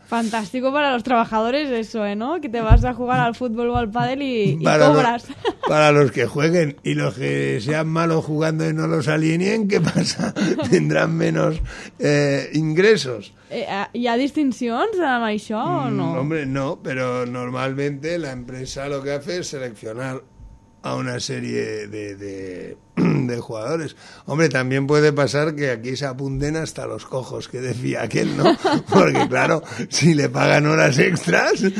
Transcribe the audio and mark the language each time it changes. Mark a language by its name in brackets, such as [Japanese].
[Spanish] Fantástico para los trabajadores eso, ¿no? Que te vas a jugar al fútbol o al pádel y cobras. Para los que jueguen y los que sean malos jugando y no los alineen, ¿qué pasa? Tendrán menos ingresos. [Catalan] ¿Hi ha distincions amb això o no? [Spanish] Hombre, no, pero normalmente la empresa lo que hace es seleccionar a una serie de jugadores. Hombre, también puede pasar que aquí se apunten hasta los cojos, que decía aquel, ¿no? Porque claro, si le pagan horas extras